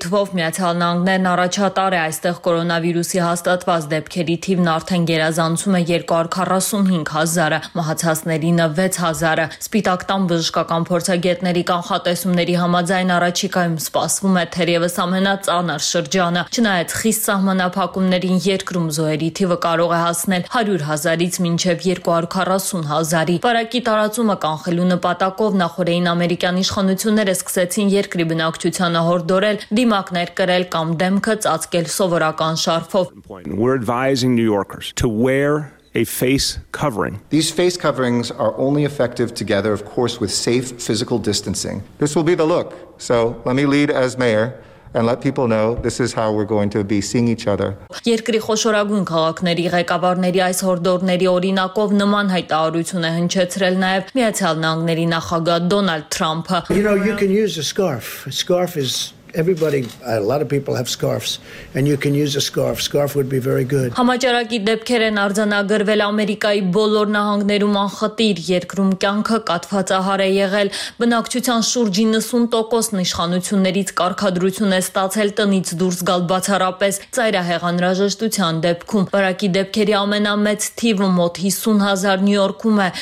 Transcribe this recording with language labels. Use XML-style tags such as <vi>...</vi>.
<hy>թվով Միացյալ Նահանգներն առաջատար է, այստեղ կորոնավիրուսի հաստատված դեպքերի թիվն արդեն գերազանցում է 245,000-ը, մահացածներինը 6,000-ը։ Սպիտակ տան բժշկական փորձագետների կանխատեսումների համաձայն առաջիկայում սպասվում է թերևս ամենածանր շրջանը, չնայած խիստ սահմանափակումներին երկրում զոհերի ուղևորների թիվը կարող է հասնել 100 հազարից մինչև 240 հազարի։ Վարակի տարածումը կանխելու նպատակով նախորդային ամերիկյան իշխանությունները սկսեցին երկրի բնակչությանը հորդորել, դիմակներ կրել կամ դեմքը ծածկել սովորական շարֆով։</hy> <en>We're advising New Yorkers to wear a face covering. These face coverings are only effective together, of course, with safe physical distancing. This will be the look. So, let me lead as mayor and let people know this is how we're going to be seeing each other.</en> <hy>Երկրի խոշորագույն քաղաքների ղեկավարների այս հորդորների օրինակով նման հայտարարություն է հնչեցրել նաև Միացյալ Նահանգների նախագահ Դոնալդ Թրամփը.</hy> <en>You know, you can use a scarf. A scarf is Everybody, a lot of people have scarves and you can use a scarf. Scarf would be very good.</en> <hy>Համաճարակի դեպքեր են արձանագրվել Ամերիկայի բոլոր նահանգներում անխտիր երկրում կյանքը կաթվածահար է եղել։ Բնակչության շուրջ 90% իշխանություններից կարգադրություն է ստացել տնից դուրս գալ բացառապես ծայրահեղ անհրաժեշտության դեպքում։ Վարակի դեպքերի ամենամեծ թիվը մոտ 50,000 Նյու Յորքում է,</hy>